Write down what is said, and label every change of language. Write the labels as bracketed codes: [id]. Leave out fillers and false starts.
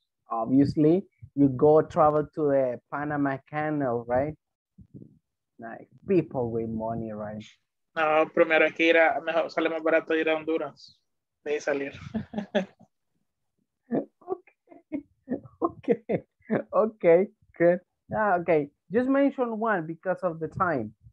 [en] Obviously, you go travel to the Panama Canal, right? Like people with money, right? [es] No, primero hay que ir a, mejor, sale más barato ir a Honduras, de ahí salir. [en] Okay, good. Ah, okay, just mention one because of the time.